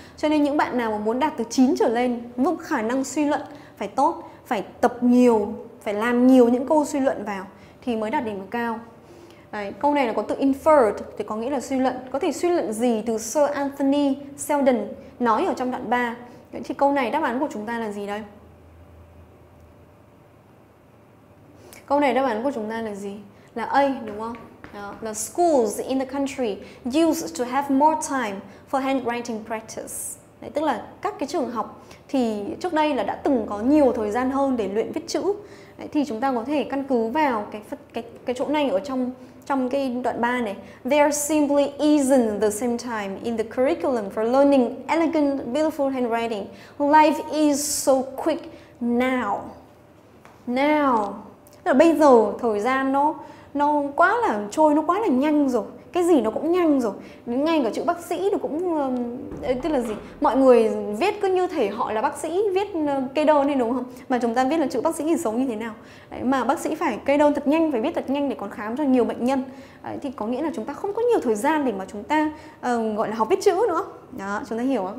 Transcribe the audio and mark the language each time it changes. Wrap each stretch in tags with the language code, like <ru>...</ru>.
<vi>Cho nên những bạn nào mà muốn đạt từ 9 trở lên, mức khả năng suy luận phải tốt, phải tập nhiều, phải làm nhiều những câu suy luận vào thì mới đạt điểm cao. Đấy, câu này là có từ inferred thì có nghĩa là suy luận. Có thể suy luận gì từ Sir Anthony Seldon nói ở trong đoạn 3? Đấy, thì câu này đáp án của chúng ta là gì đây? Câu này đáp án của chúng ta là gì? Là A, đúng không?</vi> <en>The schools in the country used to have more time for handwriting practice.</en> <vi>Đấy, tức là các cái trường học thì trước đây là đã từng có nhiều thời gian hơn để luyện viết chữ. Đấy, thì chúng ta có thể căn cứ vào cái chỗ này ở trong cái đoạn 3 này.</vi> <en>There simply isn't the same time in the curriculum for learning elegant, beautiful handwriting. Life is so quick now.</en> <vi>Now. Tức là bây giờ thời gian nó quá là trôi, nó quá là nhanh rồi. cái gì nó cũng nhanh rồi. Đến ngay cả chữ bác sĩ nó cũng tức là gì, mọi người viết cứ như thể họ là bác sĩ viết kê đơn đi đúng không, mà chúng ta viết là chữ bác sĩ thì xấu như thế nào đấy, mà bác sĩ phải kê đơn thật nhanh, phải viết thật nhanh để còn khám cho nhiều bệnh nhân đấy, thì có nghĩa là chúng ta không có nhiều thời gian để mà chúng ta gọi là học viết chữ nữa đó, chúng ta hiểu không?</vi>